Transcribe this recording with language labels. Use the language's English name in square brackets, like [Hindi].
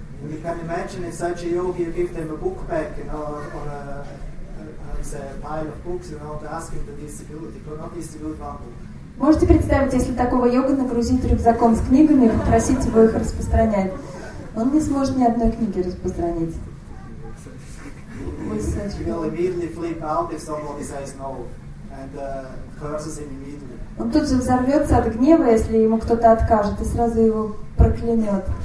[English] You can imagine in such a yogi, you give them a book bag, you know, or a pile of books, you know, to ask him to distribute. He could not distribute one book. [Russian] Можете представить, если такого йога нагрузить рюкзаком с книгами и попросить его их распространять, он не сможет ни одной книги распространить. [English] He will immediately flip out if somebody says no and curses him immediately. [Russian] Он тут же взорвется от гнева, если ему кто-то откажет, и сразу его проклянет.